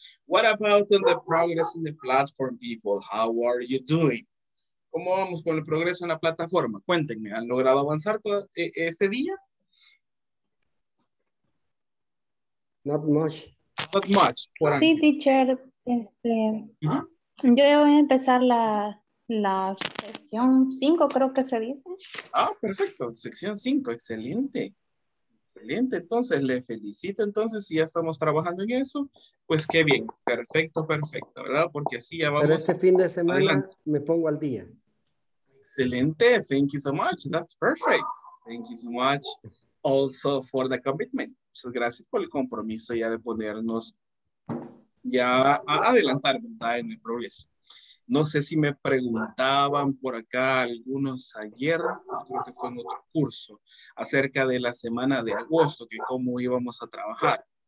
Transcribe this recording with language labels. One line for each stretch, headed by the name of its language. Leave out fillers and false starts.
English: What about the progress in the platform, people? How are you doing?
Spanish: ¿Cómo vamos con el progreso en la plataforma? Cuéntenme, ¿han logrado avanzar este día?
English: Not much. Not much.
Spanish: Sí, teacher. Yo voy a empezar la sección 5, creo que se dice. Ah, perfecto. Sección 5, excelente. Excelente. Entonces, le felicito. Entonces, si ya estamos trabajando en eso, pues qué bien. Perfecto, perfecto, ¿verdad? Porque así ya vamos. Pero este fin de semana adelante. Me pongo al día. Excelente.
English: Thank you so much. That's perfect. Thank you so much also for the commitment.
Spanish: Muchas gracias por el compromiso ya de ponernos ya a adelantar, ¿verdad? En el progreso. No sé si me preguntaban por acá algunos ayer, creo que fue en otro curso, acerca de la semana de agosto, que cómo íbamos a trabajar.